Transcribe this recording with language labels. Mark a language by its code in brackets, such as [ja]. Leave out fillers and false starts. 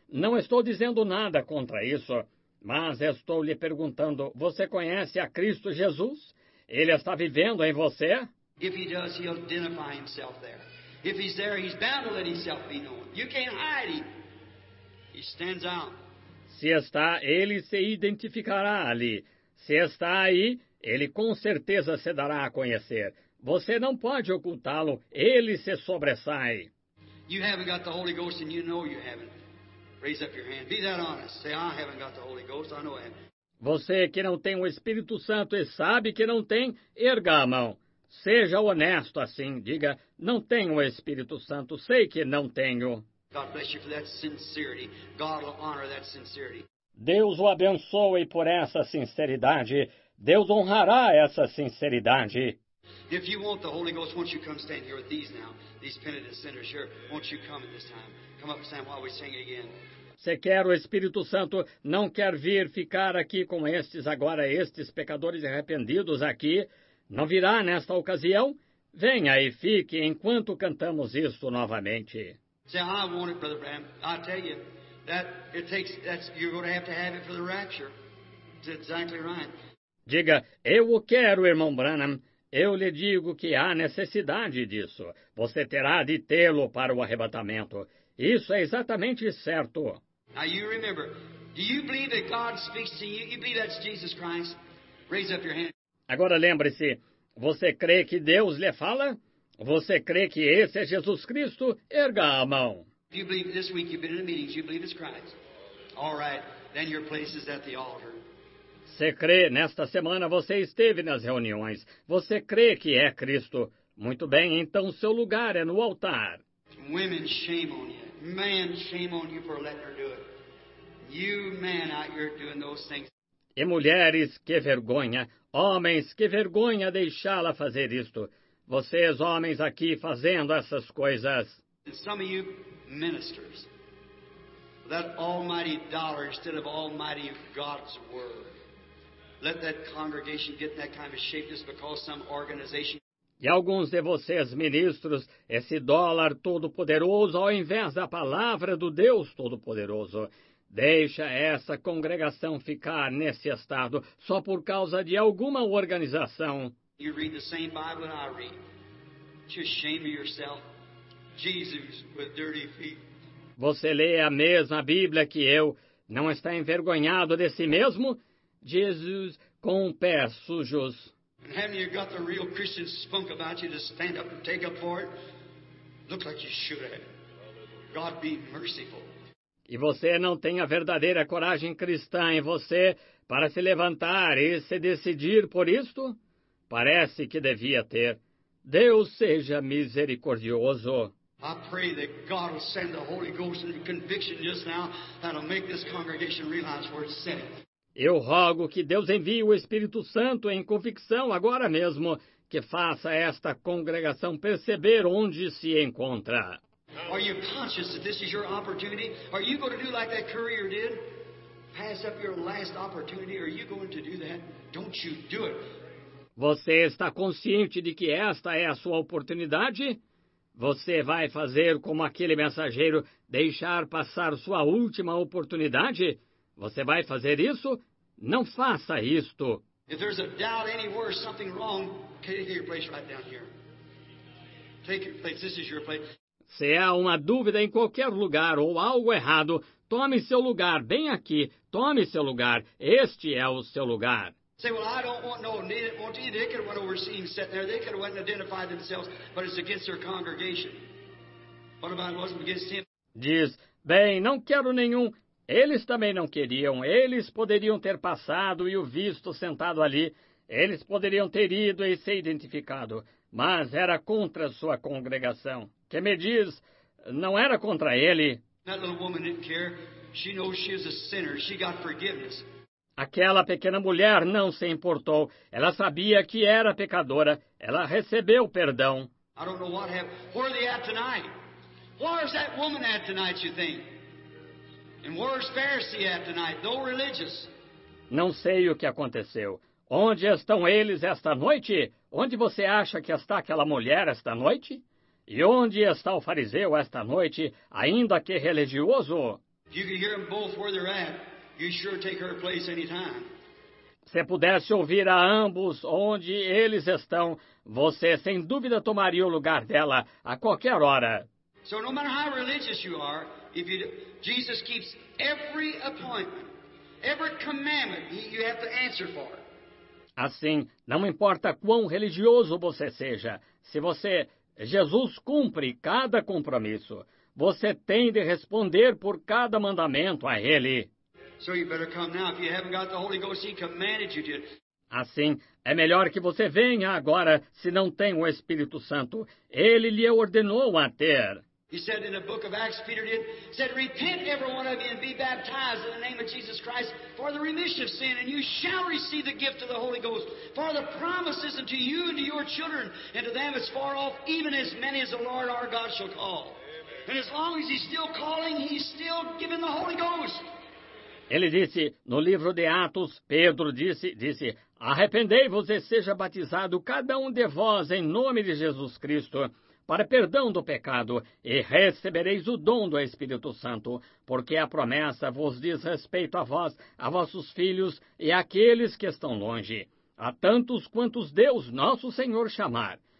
[pt] Não estou dizendo nada contra isso. Mas estou lhe perguntando, você conhece a Cristo Jesus? Ele está vivendo em você? [en] If he does, he'll identify himself there. If he's there, he's bound to let himself be known. You can't hide him. He stands out. [pt] Se está, ele se identificará ali. Se está aí, ele com certeza se dará a conhecer. Você não pode ocultá-lo. Ele se sobressai. [en] You haven't got the Holy Ghost and you know you haven't. Raise up your hand. Be that honest. Say, I haven't got the Holy Ghost. I know I haven't. [pt] Você que não tem o Espírito Santo e sabe que não tem, erga a mão. Seja honesto assim, diga, não tenho o Espírito Santo, sei que não tenho. [en] God bless you for that sincerity. God will honor that sincerity. [pt] Deus o abençoe por essa sinceridade. Deus honrará essa sinceridade. [en] If you want the Holy Ghost, won't you come stand here with these now, these penitent sinners here, won't you come at this time? Come up and stand while we sing again. [pt] Se quer o Espírito Santo, não quer vir ficar aqui com estes agora, estes pecadores arrependidos aqui, não virá nesta ocasião? Venha e fique enquanto cantamos isto novamente. [en] Say, I want it, Brother Bram. I tell you, that it takes, that's, you're going to have it for the rapture. It's exactly right. [pt] Diga, eu o quero, irmão Branham. Eu lhe digo que há necessidade disso. Você terá de tê-lo para o arrebatamento. Isso é exatamente certo. [en] Now you remember, do you believe that God speaks to you? You believe that's Jesus Christ? Raise up your hand. [pt] Agora lembre-se, você crê que Deus lhe fala? Você crê que esse é Jesus Cristo? Erga a mão. [en] If you believe this week you've been in the meetings, you believe it's Christ. All right, then your place is at the altar. [pt] Você crê, nesta semana você esteve nas reuniões. Você crê que é Cristo. Muito bem, então seu lugar é no altar. [en] Women, shame on you. Men, shame on you for letting her do it. You men out here doing those things. [pt] E mulheres, que vergonha. Homens, que vergonha deixá-la fazer isto. Vocês, homens, aqui fazendo essas coisas. [en] And some of you ministers. That almighty dollar instead of almighty God's word. Let that congregation get that kind of shape just because some organization. [pt] E alguns de vocês, ministros, esse dólar todo-poderoso ao invés da palavra do Deus Todo-Poderoso. Deixa essa congregação ficar nesse estado só por causa de alguma organização. [en] You read the same Bible that I read. to shame yourself, Jesus, with dirty feet. [pt] Você lê a mesma Bíblia que eu, não está envergonhado de si mesmo? Jesus, com pés sujos. [en] Haven't you got the real Christian spunk about you to stand up and take up for it? Look like you should have. God be merciful. [pt] E você não tem a verdadeira coragem cristã em você para se levantar e se decidir por isto? Parece que devia ter. Deus seja misericordioso. [en] I pray that God will send the Holy Ghost and conviction just now that'll make this congregation realize where it's set. [pt] Eu rogo que Deus envie o Espírito Santo em convicção agora mesmo, que faça esta congregação perceber onde se encontra. [en] Are you conscious that this is your opportunity? Are you going to do like that courier did? Pass up your last opportunity? Are you going to do that? Don't you do it. [pt] Você está consciente de que esta é a sua oportunidade? Você vai fazer como aquele mensageiro, deixar passar sua última oportunidade? Você vai fazer isso? Não faça isto. [en] If there's a doubt anywhere, something wrong, take your place right down here. Take your place. This is your place. [pt] Se há uma dúvida em qualquer lugar ou algo errado, tome seu lugar bem aqui. Tome seu lugar. Este é o seu lugar. [en] Say, well, I don't want no need it. Won't you? They could have went overseen, sat there. They could have went and identified themselves, but it's against their congregation. What about it wasn't against him? [pt] Diz, bem, não quero nenhum. Eles também não queriam. Eles poderiam ter passado e o visto sentado ali. Eles poderiam ter ido e se identificado. Mas era contra sua congregação. Que me diz, não era contra ele. [en] That little woman didn't care. She knows she is a sinner. She got forgiveness. [pt] Aquela pequena mulher não se importou. Ela sabia que era pecadora. Ela recebeu perdão. [en] I don't know what happened. Where are they at tonight? Where is that woman at tonight, you think? And where is Pharisee at tonight? No religious. [pt] Não sei o que aconteceu. Onde estão eles esta noite? Onde você acha que está aquela mulher esta noite? E onde está o fariseu esta noite, ainda que religioso? [en] You can hear them both where they're at. You sure take her place anytime. [pt] Se pudesse ouvir a ambos onde eles estão, você sem dúvida tomaria o lugar dela a qualquer hora. [en] So no matter how religious you are, if you do, Jesus keeps every appointment, every commandment you have to answer for. [pt] Assim, não importa quão religioso você seja, se você... Jesus cumpre cada compromisso. Você tem de responder por cada mandamento a Ele. [en] So you better come now. If you haven't got the Holy Ghost, He commanded you to. [pt] Assim, é melhor que você venha agora, se não tem o Espírito Santo. Ele lhe ordenou a ter. [en] He said in the book of Acts, Peter did, said, repent every one of you and be baptized in the name of Jesus Christ for the remission of sin, and you shall receive the gift of the Holy Ghost. For the promise is unto you and to your children, and to them as far off, even as many as the Lord our God shall call. Amen. And as long as He's still calling, He's still giving the Holy Ghost. [pt] Ele disse, no livro de Atos, Pedro disse, arrependei-vos e seja batizado cada um de vós em nome de Jesus Cristo, para perdão do pecado, e recebereis o dom do Espírito Santo, porque a promessa vos diz respeito a vós, a vossos filhos e àqueles que estão longe, a tantos quantos Deus, nosso Senhor, chamar.